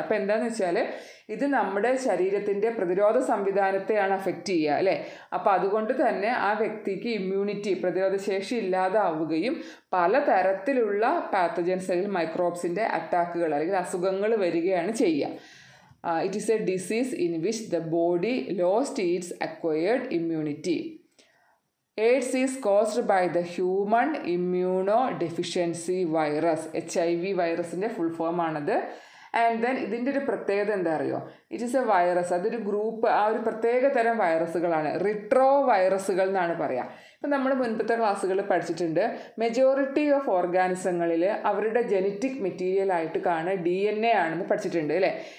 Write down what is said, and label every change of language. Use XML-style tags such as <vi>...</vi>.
<ml>അപ്പോൾ എന്താണെന്ന് വെച്ചാൽ, ഇത് നമ്മുടെ ശരീരത്തിൻ്റെ പ്രതിരോധ സംവിധാനത്തെയാണ് അഫക്റ്റ് ചെയ്യുക അല്ലേ. അപ്പോൾ അതുകൊണ്ട് തന്നെ ആ വ്യക്തിക്ക് ഇമ്മ്യൂണിറ്റി, പ്രതിരോധ ശേഷി ഇല്ലാതാവുകയും പലതരത്തിലുള്ള പാത്തജൻസ് അല്ലെങ്കിൽ മൈക്രോബ്സിൻ്റെ അറ്റാക്കുകൾ അല്ലെങ്കിൽ അസുഖങ്ങൾ വരികയാണ് ചെയ്യുക.</ml> <en>It is a disease in which the body lost its acquired immunity. AIDS is caused by the human immunodeficiency virus. HIV virus in the full form anadu. And then</en> <ml>ഇതിൻ്റെ ഒരു പ്രത്യേകത എന്താ അറിയോ,</ml> <en>it is a virus,</en> <ml>അതൊരു group, ആ ഒരു പ്രത്യേക തരം വൈറസുകളാണ്, റിട്രോ വൈറസുകൾ എന്നാണ് പറയുക. ഇപ്പം നമ്മൾ മുൻപത്തെ ക്ലാസ്സുകളിൽ പഠിച്ചിട്ടുണ്ട്, മെജോറിറ്റി ഓഫ് ഓർഗാനിസങ്ങളിൽ അവരുടെ ജനറ്റിക് മെറ്റീരിയലായിട്ട് കാണുക ഡി എൻ എ ആണെന്ന് പഠിച്ചിട്ടുണ്ട് അല്ലേ.</ml>